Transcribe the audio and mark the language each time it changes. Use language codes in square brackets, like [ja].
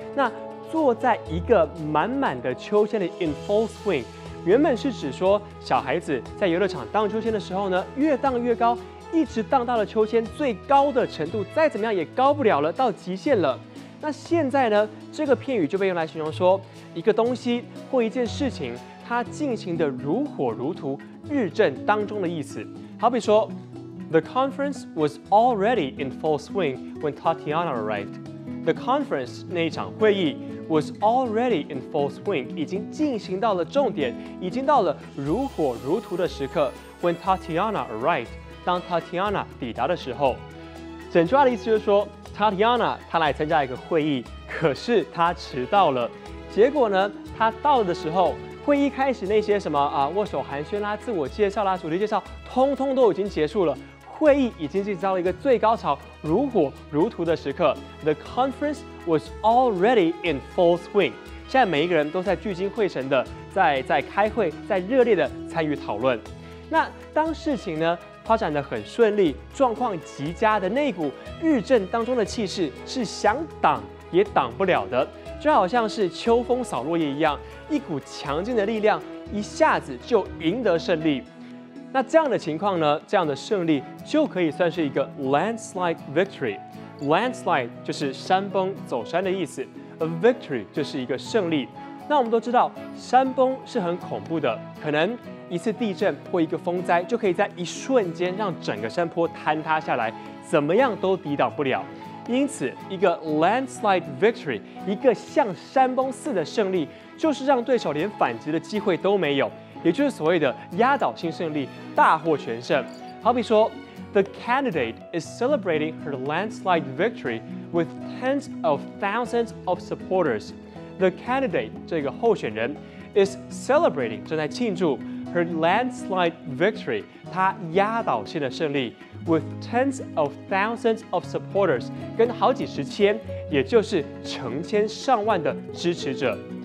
[zh] 那坐在一个满满的秋千的 in full swing，原本是指说小孩子在游乐场荡秋千的时候呢，越荡越高，一直荡到了秋千最高的程度，再怎么样也高不了了，到极限了。那现在呢，这个片语就被用来形容说一个东西或一件事情它进行的如火如荼，日正当中的意思。 [en] 好比说 The conference was already in full swing when Tatiana arrived. [zh] The conference 那一场会议 was already in full swing，已经进行到了重点，已经到了如火如荼的时刻。 When Tatiana arrived，当 Tatiana 抵达的时候，整句话的意思就是说 Tatiana 她来参加一个会议，可是她迟到了。结果呢，她到了的时候，会议开始那些什么握手寒暄啦、自我介绍啦、主题介绍，通通都已经结束了。会议已经进入到了一个最高潮，如火如荼的时刻。 [en] The conference was already in full swing。 [zh] 现在每一个人都在聚精会神的在开会，在热烈的参与讨论。那当事情呢发展得很顺利，状况极佳的那股日正当中的气势，是想挡也挡不了的。就好像是秋风扫落叶一样，一股强劲的力量一下子就赢得胜利。那这样的情况呢，这样的胜利就可以算是一个 landslide victory。 landslide 就是山崩走山的意思， a victory 就是一个胜利。那我们都知道山崩是很恐怖的，可能一次地震或一个风灾就可以在一瞬间让整个山坡坍塌下来，怎么样都抵挡不了。因此一个 landslide victory， 一个像山崩似的胜利，就是让对手连反击的机会都没有，也就是所谓的压倒性胜利，大获全胜。 [en] 好比说 The candidate is celebrating her landslide victory with tens of thousands of supporters. The candidate 这个候选人 is celebrating 正在庆祝 her landslide victory，她压倒性的胜利， with tens of thousands of supporters，跟好几十千，也就是成千上万的支持者。